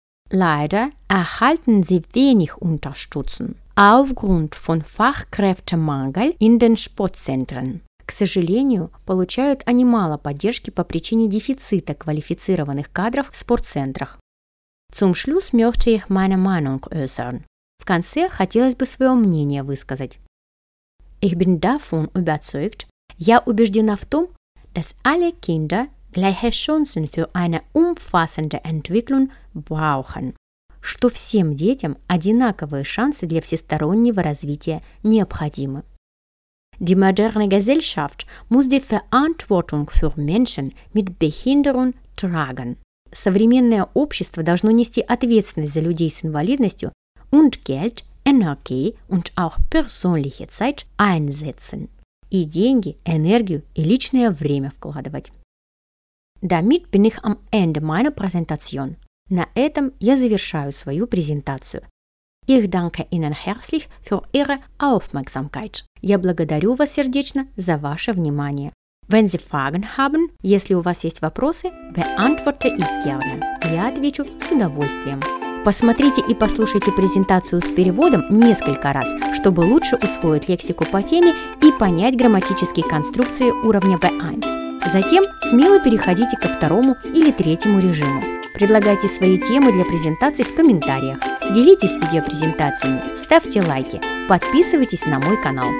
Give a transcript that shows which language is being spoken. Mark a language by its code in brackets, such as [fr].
[de] Leider erhalten sie wenig Unterstützung aufgrund von Fachkräftemangel in den Sportzentren. [ru] К сожалению, получают они мало поддержки по причине дефицита квалифицированных кадров в спортцентрах. [de] Zum Schluss möchte ich meine Meinung äußern. [ru] В конце хотелось бы свое мнение высказать. [de] Ich bin davon überzeugt, [ru] я убеждена в том, [de] dass alle Kinder gleiche Chancen für eine umfassende Entwicklung brauchen. [ru] Что всем детям одинаковые шансы для всестороннего развития необходимы. [de] Die moderne Gesellschaft muss die Verantwortung für Menschen mit Behinderung tragen. [ru] Современное общество должно нести ответственность за людей с инвалидностью [de] und Geld, Energie und auch persönliche Zeit einsetzen. [ru] И деньги, энергию и личное время вкладывать. [de] Damit bin ich am Ende meiner Präsentation. [ru] На этом я завершаю свою презентацию. [de] Ich danke Ihnen herzlich für Ihre Aufmerksamkeit. [ru] Я благодарю вас сердечно за ваше внимание. [de] Wenn Sie Fragen haben, [ru] если у вас есть вопросы, [de] beantworte ich gerne. [ru] Я отвечу с удовольствием. Посмотрите и послушайте презентацию с переводом несколько раз, чтобы лучше усвоить лексику по теме и понять грамматические конструкции уровня B1. Затем смело переходите ко второму или третьему режиму. Предлагайте свои темы для презентаций в комментариях. Делитесь видеопрезентациями, ставьте лайки, подписывайтесь на мой канал.